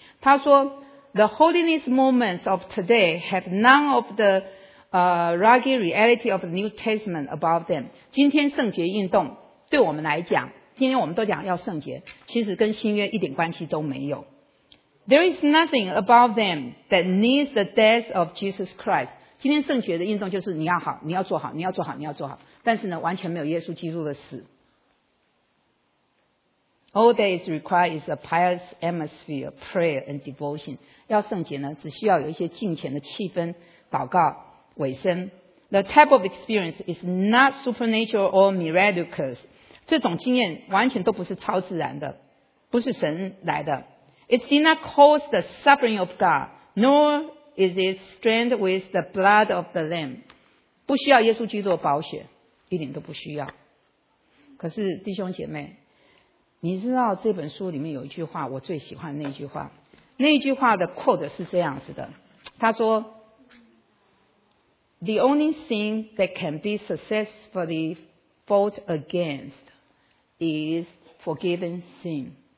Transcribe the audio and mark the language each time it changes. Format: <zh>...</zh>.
<zh>他说</zh> <en>The holiness movements of today have none of the ragged reality of the New Testament above them.</en> <zh>今天圣洁运动对我们来讲，今天我们都讲要圣洁，其实跟新约一点关系都没有。</zh> <en>There is nothing about them that needs the death of Jesus Christ.</en> <zh>今天圣洁的运动就是你要好，你要做好，你要做好，你要做好，但是呢完全没有耶稣基督的死。</zh> <en>All that is required is a pious atmosphere, prayer and devotion.</en> <zh>要圣洁呢，只需要有一些敬虔的气氛，祷告尾声。</zh> <en>The type of experience is not supernatural or miraculous.</en> <zh>这种经验完全都不是超自然的，不是神来的。</zh> <en>It did not cause the suffering of God, nor is it strengthened with the blood of the Lamb.</en> <zh>不需要耶稣基督的宝血，一点都不需要。可是弟兄姐妹，你知道这本书里面有一句话，我最喜欢那句话。那句话的 quote 是这样子的，他说</zh> <en>The only thing that can be successfully fought against is forgiven sin.</en>